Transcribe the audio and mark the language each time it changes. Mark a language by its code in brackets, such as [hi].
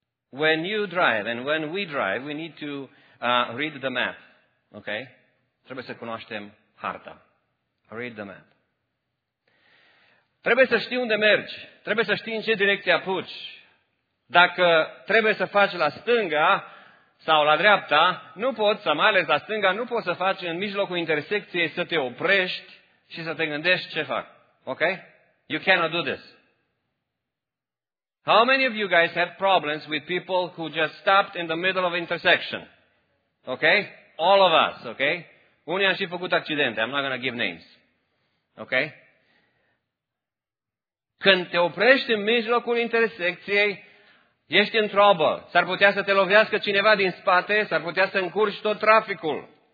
[en] When you drive and when we drive, we need to read the map. Okay? [ro] Trebuie să cunoaștem harta. [en] Read the map. [ro] Trebuie să știi unde mergi. Trebuie să știi în ce direcție apuci. Dacă trebuie să faci la stânga sau la dreapta, nu poți, mai ales la stânga, nu poți să faci în mijlocul intersecției să te oprești și să te gândești ce fac. [en] Ok? You cannot do this. How many of you guys have problems with people who just stopped in the middle of intersection? Ok? All of us, ok? [ro] Unii am și făcut accidente. [en] I'm not going to give names. Ok? [ro] Când te oprești în mijlocul intersecției, ești în trouble. S-ar putea să te lovească cineva din spate, s-ar putea să încurci tot traficul.